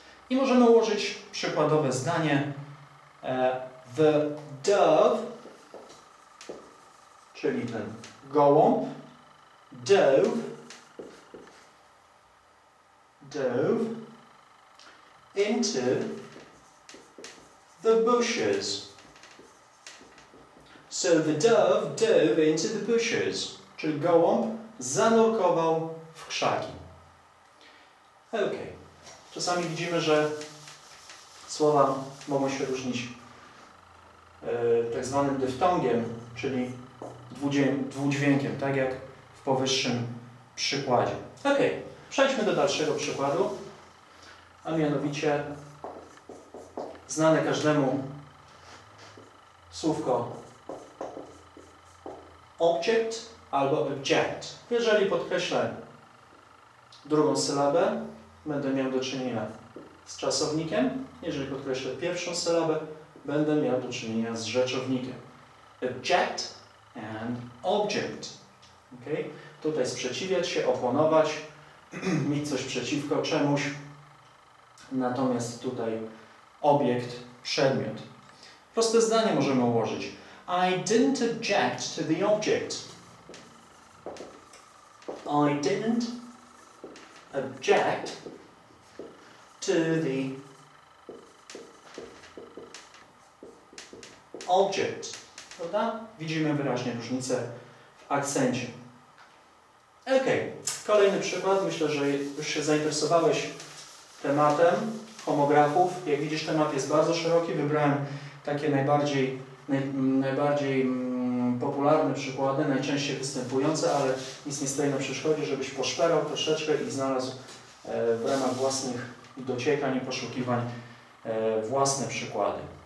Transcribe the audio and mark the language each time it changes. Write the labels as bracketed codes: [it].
[pl] I możemy ułożyć przykładowe zdanie. [en] The dove, [pl] czyli ten gołąb, [en] dove into the bushes. So the dove dove into the bushes. [pl] Czyli gołąb zanurkował w krzaki. Ok. Czasami widzimy, że słowa mogą się różnić tak zwanym dyftongiem, czyli dwudźwiękiem, tak jak w powyższym przykładzie. Ok, przejdźmy do dalszego przykładu, a mianowicie znane każdemu słówko object albo object. Jeżeli podkreślę drugą sylabę, będę miał do czynienia z czasownikiem. Jeżeli podkreślę pierwszą sylabę, będę miał do czynienia z rzeczownikiem. [en] Object and object. Okay? [pl] Tutaj sprzeciwiać się, oponować, mieć coś przeciwko czemuś. Natomiast tutaj obiekt, przedmiot. Proste zdanie możemy ułożyć. [en] I didn't object to the object. I didn't object to the object. [pl] Prawda? Widzimy wyraźnie różnicę w akcencie. Ok, kolejny przykład. Myślę, że już się zainteresowałeś tematem homografów. Jak widzisz, temat jest bardzo szeroki. Wybrałem takie najbardziej popularne przykłady, najczęściej występujące, ale nic nie stoi na przeszkodzie, żebyś poszperał troszeczkę i znalazł w ramach własnych dociekań i poszukiwań własne przykłady.